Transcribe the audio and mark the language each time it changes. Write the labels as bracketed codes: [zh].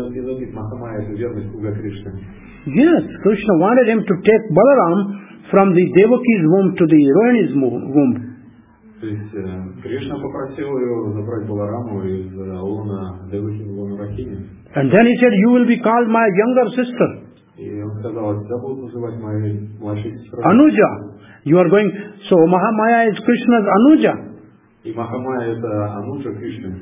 [ru] это, то есть Махамая, это верность Бога Кришны. [en] Yes, Krishna wanted him to take Balaram from the Devaki's womb to the Rohini's womb. [ru] То есть Кришна попросил его забрать Балараму из лона Девахи в лоно Рахини. [en] And then he said, you will be called my younger sister. [ru] И он сказал, тебя будут называть моей младшей сестрой. [en] Anuja, you are going. So Махамая is Krishna's Anuja. [ru] И Махамая это Ануджа Кришна.